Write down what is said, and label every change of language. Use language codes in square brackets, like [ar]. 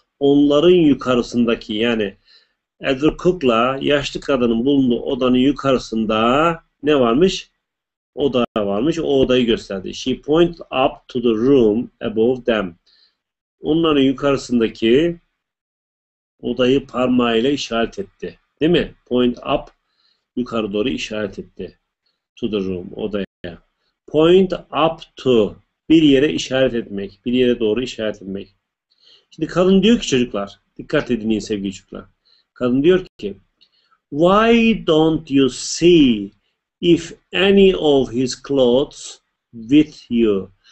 [tr] Onların yukarısındaki yani Edward Cook'la yaşlı kadının bulunduğu odanın yukarısında ne varmış? Oda varmış. O odayı gösterdi. [en] She pointed up to the room above them. [tr] Onların yukarısındaki odayı parmağıyla işaret etti. Değil mi? Point up yukarı doğru işaret etti. [en] To the room, [tr] odaya. Point up to bir yere işaret etmek, bir yere doğru işaret etmek. Şimdi kadın diyor ki çocuklar, dikkat edin sevgili çocuklar. Kadın diyor ki, [en] Why don't you see if any of his clothes with you?